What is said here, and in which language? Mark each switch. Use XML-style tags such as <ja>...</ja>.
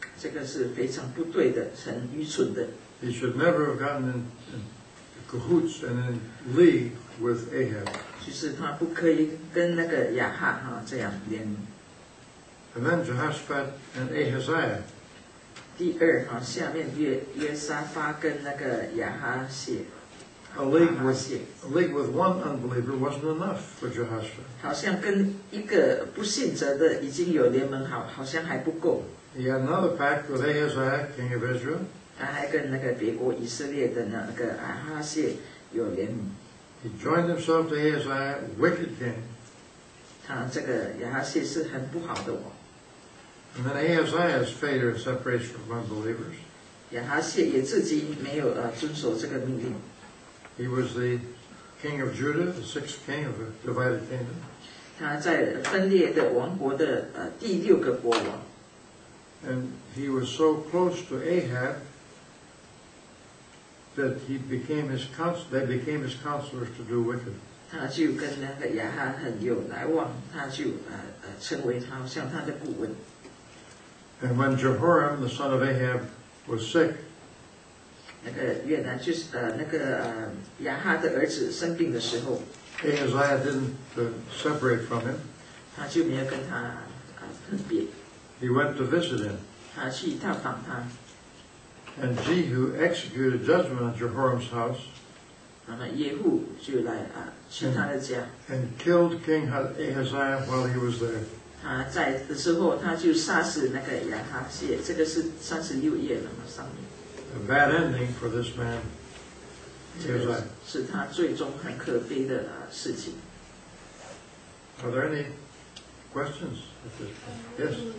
<zh>这个是非常不对的，很愚蠢的。</zh> <en>He should never have gotten in cahoots and in league with Ahab.</en> <zh>其实他不可以跟那个亚哈哈这样联盟。</zh> <en>And then Jehoshaphat and Ahaziah.</en> <zh>第二哈，下面约沙发跟那个亚哈谢。</zh> <en>A league with one unbeliever wasn't enough for Jehoshaphat.</en> <zh>好像跟一个不信者的已经有联盟，好像还不够。</zh> <en>He had another pact with Ahaziah, king of Israel.</en> <zh>他还跟那个别国以色列的那个阿哈谢有联盟。</zh> <en>He joined himself to Ahaziah, wicked king.</en> <zh>他这个亚哈谢是很不好的王。</zh> <en>And then Ahaziah's failure in separation from unbelievers.</en> <zh>亚哈谢也自己没有遵守这个命令。</zh> <en>He was the king of Judah, the sixth king of a divided kingdom.</en> <zh>他在分裂的王国的第六个国王。</zh> <en>And he was so close to Ahab that they became his counselors to do wicked.</en> <zh>他就跟那个亚哈很有来往，他就成为他像他的顾问。</zh> <en>And when Jehoram, the son of Ahab, was sick.</en> <zh>那个越南就是那个亚哈的儿子生病的时候</zh> <en>，Ahaziah didn't separate from him.</en> <zh>他就没有跟他分别。</zh> <en>He went to visit him.</en> <zh>他去探访他。</zh> <en>And Jehu executed judgment on Jehoram's house.</en> <zh>那么耶户就来去他的家。</zh> <en>And killed King Ahaziah while he was there.</en> <zh>他在的时候他就杀死那个亚哈谢，这个是36页了嘛上面。</zh> <en>A bad ending for this man.</en> <zh>这个是他最终很可悲的事情。</zh> <en>Are there any questions? Yes.</en>